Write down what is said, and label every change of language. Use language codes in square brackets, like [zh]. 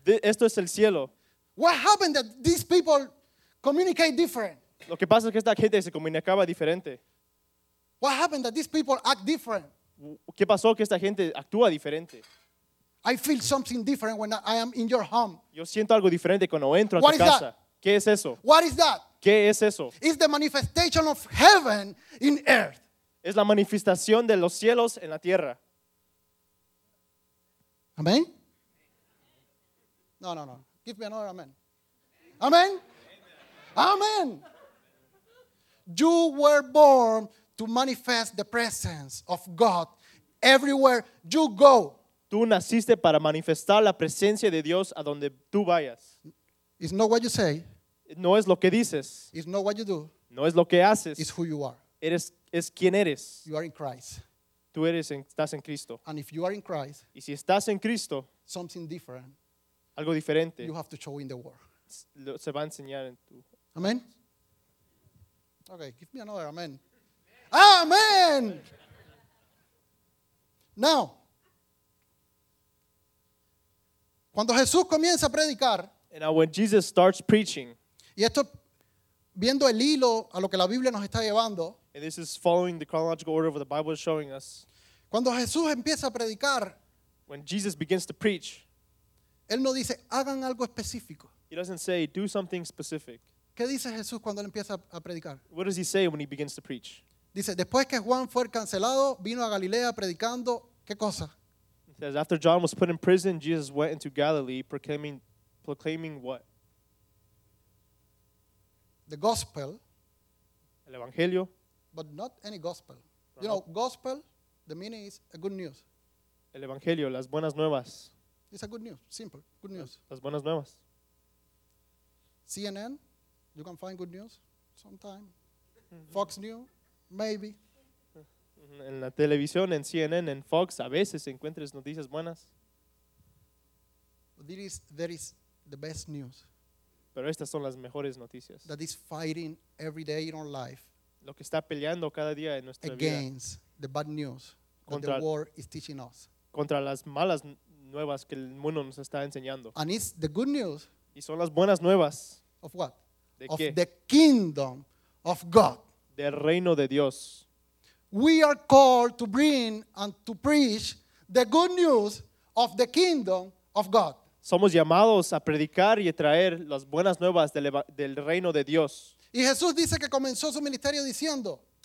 [es] Esto es el cielo. [en] What happened that these people communicate different? [es] Lo que pasa es que esta gente se comunicaba diferente. [en] What happened that these people act different? [es] ¿Qué pasó que esta gente actúa diferente? [en] I feel something different when I am in your home. [es] Yo siento algo diferente cuando entro a tu casa. ¿Qué es eso? [en] What is that? [es] ¿Qué es eso? [en] It's the manifestation of heaven in earth. [es] Es la manifestación de los cielos en la tierra. [en] Amén. No, no, no. Give me another amen. Amen. Amen. You were born to manifest the presence of God everywhere you go. [es] Tú naciste para manifestar la presencia de Dios a donde tú vayas. [en] It's not what you say. [es] No es lo que dices. [en] It's not what you do. [es] No es lo que haces. [en] It's who you are. [es] Eres, es quien eres. [en] You are in Christ. [es] Tú eres en, estás en Cristo. [en] And if you are in Christ, [es] y si estás en Cristo, [en] something different. [es] Algo diferente. [en] You have to show in the world. [es] Se va a enseñar en tu. [en] Amen. Okay, give me another amen. Amen. [es] Now, cuando Jesús comienza a predicar, [en] and now when Jesus starts preaching, [es] y esto viendo el hilo a lo que la Biblia nos está llevando, [en] and this is following the chronological order of what the Bible is showing us. [es] Cuando Jesús empieza a predicar, [en] when Jesus begins to preach. [es] Él no dice, hagan algo específico. [en] He doesn't say, do something specific. [es] ¿Qué dice Jesús cuando él empieza a predicar? [en] What does he say when he begins to preach? [es] Dice, después que Juan fue cancelado, vino a Galilea predicando, ¿qué cosa? [en] He says, after John was put in prison, Jesus went into Galilee proclaiming what? The gospel. [es] El evangelio. [en] But not any gospel. Uh-huh. You know, gospel, the meaning is a good news. [es] El evangelio, las buenas nuevas. [en] It's a good news, simple, good news. [es] Las buenas nuevas. [en] CNN, you can find good news sometime. Mm-hmm. Fox News, maybe. [es] En la televisión, en CNN, en Fox, a veces encuentres noticias buenas. [en] There is the best news. [es] Pero estas son las mejores noticias. [en] That is fighting every day in our life. [es] Lo que está peleando cada día en nuestra vida. [en] Against the bad news contra, that the war is teaching us. [es] Contra las malas nuevas que el mundo nos está enseñando. [en] And it's the good news. [es] Y son las buenas nuevas. [en] Of what? [es] ¿De [en] of [es] qué? [en] The kingdom of God. [es] Del reino de Dios. [en] We are called to bring and to preach the good news of the kingdom of God. [es] Somos llamados a predicar y a traer las buenas nuevas del reino de Dios. Y Jesús dice que comenzó su ministerio diciendo.